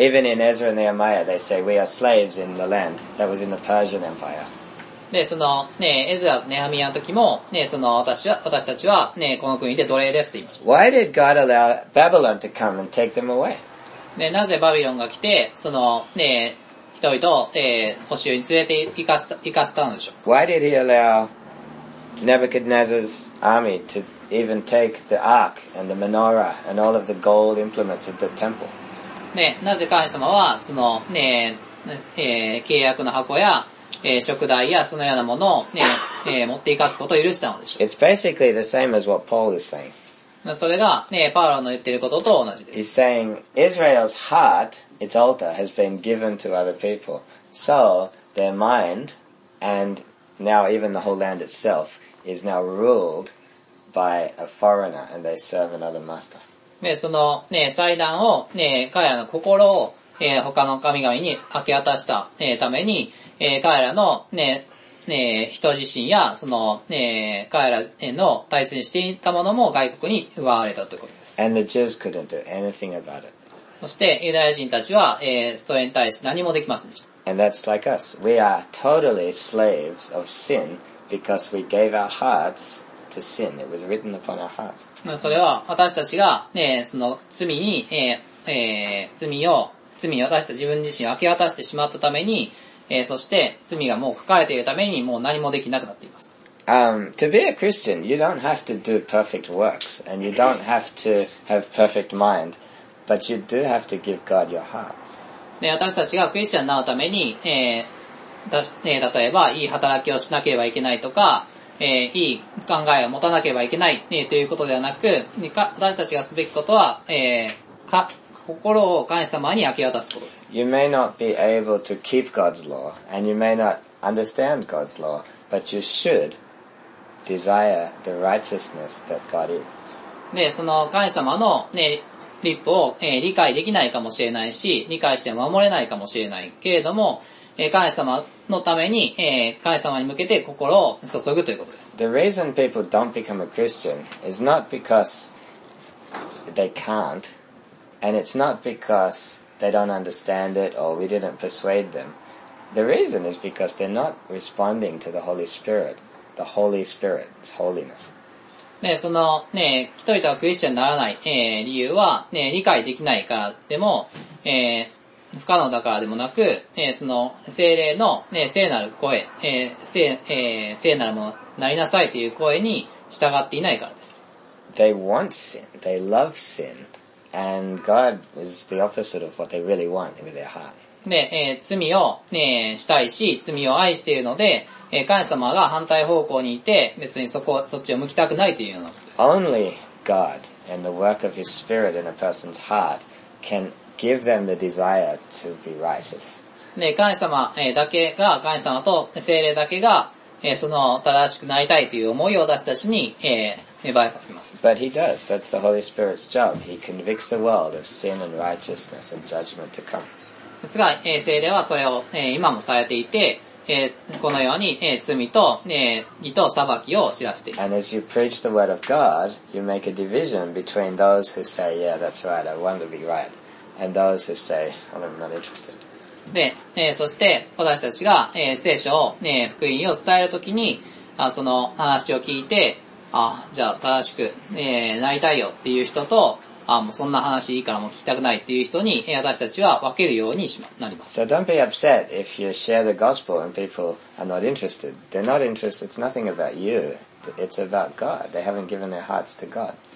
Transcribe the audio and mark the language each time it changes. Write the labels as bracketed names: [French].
[English] Even in Ezra and Nehemiah, they say we are slaves in the land that was in the Persian Empire. [Japanese] で、その、ね、エズラ、ネハミヤの時も、ね、その私たちは、ね、この国で奴隷ですと言いました。 [English] Why did God allow Babylon to come and take them away? [Japanese] で、なぜバビロンが来て、その、ね、人々を、捕囚に連れて行かせたのでしょう。 [English] Why did He allow Nebuchadnezzar's army toeven take the ark and the menorah and all of the gold implements of the temple. [Japanese] ね、なぜ神様はそのね、契約の箱や、食材やそのようなものをね、持って行かすことを許したのでしょう。 [English] It's basically the same as what Paul is saying. [Japanese] それがね、パウロの言っていることと同じです。 [English] He's saying Israel's heart, its altar, has been given to other people. So their mind and now even the whole land itself is now ruled. By a foreigner, and they serve another master. [Japanese] で、その、ね、祭壇を、ね、彼らの心を、他の神々に明け渡した、ために、彼らの、ね、人自身や、その、ね、彼らの対戦していたものも外国に奪われたということです。 [English] And the Jews couldn't do anything about it. [Japanese] そして、ユダヤ人たちは、それに対して何もできませんでした。 [English] And that's like us. We are totally slaves of sin because we gave our heartsTo sin, it was written upon our hearts. [Japanese] それは私たちが、ね、その罪に、罪に私たち自分自身を明け渡してしまったために、そして罪がもう書かれているためにもう何もできなくなっています。 [English] To be a Christian, you don't have to do perfect works and you don't have to have perfect mind, but you do have to give God your heart. [Japanese] 私たちがクリスチャンになるために、例えばいい働きをしなければいけないとか、いい考えを持たなければいけない、ということではなく、私たちがすべきことは、心を神様に明け渡すことです。 [English] You may not be able to keep God's law, and you may not understand God's law, but you should desire the righteousness that God is. [Japanese] で、その神様の、ね、律法を、理解できないかもしれないし、理解して守れないかもしれないけれども、神様のために、神様に向けて心を注ぐということです。 [English] The reason people don't become a Christian is not because they can't, and it's not because they don't understand it or we didn't persuade them. The reason is because they're not responding to the Holy Spirit, the Holy Spirit's holiness. [Japanese] ね、その、ね、人々はクリスチャンにならない、理由は、ね、理解できないからでも、不可能だからでもなく、その聖霊の、ね、聖なる声、聖なるものになりなさいという声に従っていないからです。 [English] They want sin, they love sin, and God is the opposite of what they really want with their heart. [Japanese] で、罪を、ね、したいし、罪を愛しているので、神様が反対方向にいて、別にそっちを向きたくないというようなことです。 [English] Only God and the work of His Spirit in a person's heart can. Give them the desire to be righteous. [Japanese] ね、神様だけが、神様と聖霊だけが、その正しくなりたいという思いを私たちに、芽生えさせます。 [English] But he does. That's the Holy Spirit's job. He convicts the world of sin and righteousness and judgment to come. [Japanese] ですが、聖霊はそれを、今もされていて、このように、罪と、義と裁きを知らせています。 [English] And as you preach the word of God, you make a division between those who say, yeah, that's right, I want to be right. And those who say, I'm not interested. [Japanese] で、そして私たちが、聖書を、福音を伝えるときに、その話を聞いて、あ、じゃあ正しく、なりたいよっていう人と、あ、もうそんな話いいからもう聞きたくないっていう人に、私たちは分けるようになります。 [English] So don't be upset if you share the gospel and people are not interested. They're not interested. It's nothing about you. It's about God. They haven't given their hearts to God.